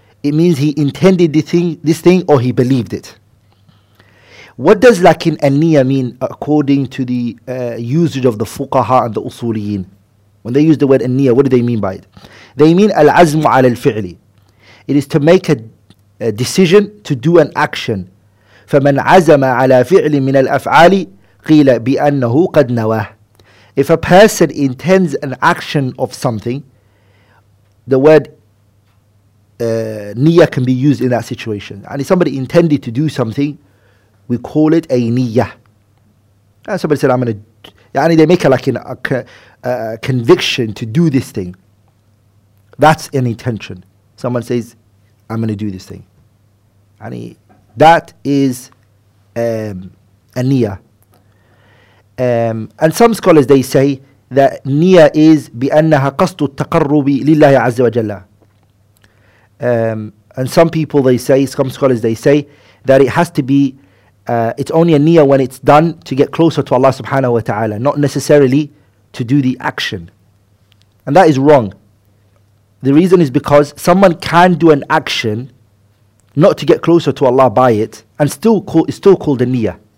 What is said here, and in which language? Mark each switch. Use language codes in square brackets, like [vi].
[en] It means he intended the thing, this thing, or he believed it. What does [ar] لكن النية [en] mean according to the usage of the فقهاء and the أصوليين? When they use the word النية, what do they mean by it? They mean [ar] العزم على الفعل. [en] It is to make a decision to do an action. [ar] فمن عزم على فعل من الأفعال قيل بأنه قد نواه. [en] If a person intends an action of something, the word نية can be used in that situation. And if somebody intended to do something, we call it a نية. And somebody said, they make it like a conviction to do this thing. That's an intention. Someone says, I'm going to do this thing. يعني that is a نية. And some scholars, they say that نية is [ar] بأنها قصد التقرب لله عز وجل. [en] And some people, they say, some scholars, they say that it has to be, it's only a نية when it's done to get closer to Allah subhanahu wa ta'ala, not necessarily to do the action. And that is wrong. The reason is because someone can do an action not to get closer to Allah by it, and still called a niyyah.